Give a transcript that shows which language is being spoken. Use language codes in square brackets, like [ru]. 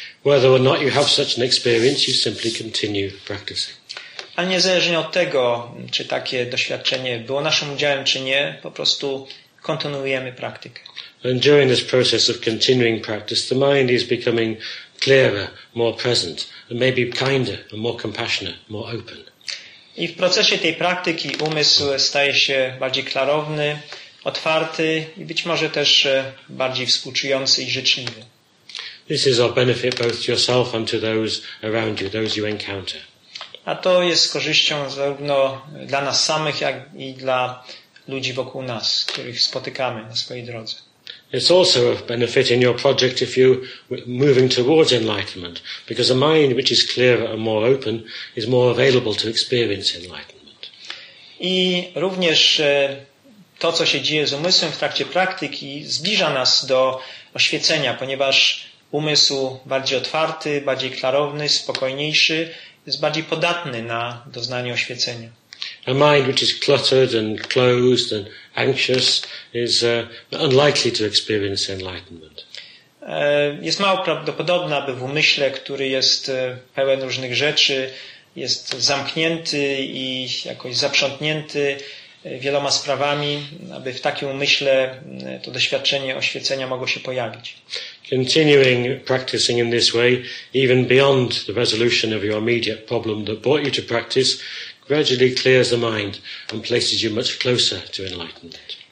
[en] Whether or not you have such an experience, you simply continue practicing. [pl] Ale niezależnie od tego, czy takie doświadczenie było naszym udziałem, czy nie, po prostu kontynuujemy praktykę. [en] And during this process of continuing practice, the mind is becoming clearer, more present, and maybe kinder, and more compassionate, more open. [pl] I w procesie tej praktyki umysł staje się bardziej klarowny, otwarty i być może też bardziej współczujący i życzliwy. [en] This is of benefit both to yourself and to those around you, those you encounter. [pl] A to jest korzyścią zarówno dla nas samych, jak i dla ludzi wokół nas, których spotykamy na swojej drodze. [en] It's also of benefit in your project if you're moving towards enlightenment, because a mind which is clearer and more open is more available to experience enlightenment. [pl] I również to, co się dzieje z umysłem w trakcie praktyki, zbliża nas do oświecenia, ponieważ umysł bardziej otwarty, bardziej klarowny, spokojniejszy, jest bardziej podatny na doznanie oświecenia. [en] A mind which is cluttered and closed and anxious is unlikely to experience enlightenment. [pl] Jest mało prawdopodobne, aby w umyśle, który jest pełen różnych rzeczy, jest zamknięty i jakoś zaprzątnięty wieloma sprawami, aby w takim umyśle to doświadczenie oświecenia mogło się pojawić. [en] Continuing practicing in this way, even beyond the resolution of your immediate problem that brought you to practice, gradually clears the mind and places you much closer to enlightenment.